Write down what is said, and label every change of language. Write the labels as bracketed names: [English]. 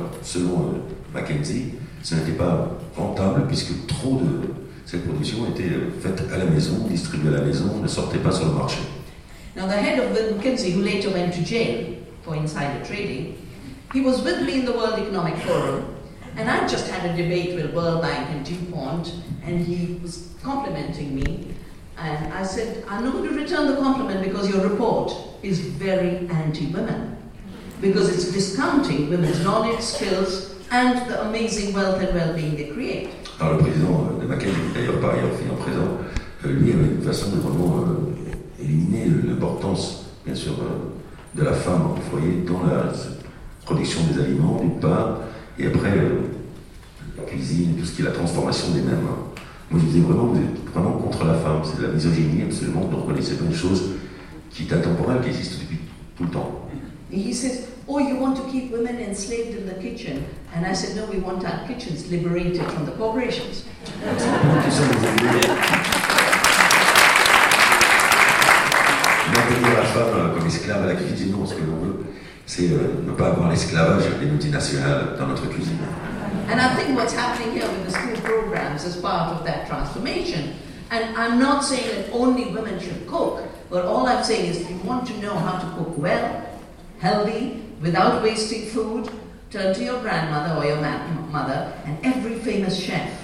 [French] Selon McKinsey, ce n'était pas rentable puisque trop de cette production était faite à la maison, distribuée à la maison, ne sortait pas sur le marché. [English] Now the head of the McKinsey, who later went to jail for insider trading, he was with me in the World Economic Forum, and I just had a debate with World Bank and DuPont, and he was complimenting me, and I said, I'm not going to return the compliment because your report is very anti-women, because it's discounting women's knowledge, skills, and the amazing wealth and well-being they create. [French] Alors le président de McKinsey, d'ailleurs par ailleurs, finalement présent, lui avait une façon de vraiment éliminer l'importance, bien sûr, de la femme au foyer dans la production des aliments, d'une part, et après la cuisine, tout ce qui est la transformation des mêmes. Moi je disais vraiment, vous êtes vraiment contre la femme, c'est de la misogynie absolument, donc vous connaissez pas une chose qui est intemporelle, qui existe depuis tout le temps. [English] Oh, you want to keep women enslaved in the kitchen? And I said, no, we want our kitchens liberated from the corporations. [French] Maintenir la femme comme esclave à la cuisine, non, ce que l'on veut, c'est ne pas avoir l'esclavage des multinationales dans notre cuisine. [English] And I think what's happening here with the school programs is part of that transformation. And I'm not saying that only women should cook, but all I'm saying is if you want to know how to cook well, healthy, without wasting food, turn to your grandmother or your mother and every famous chef.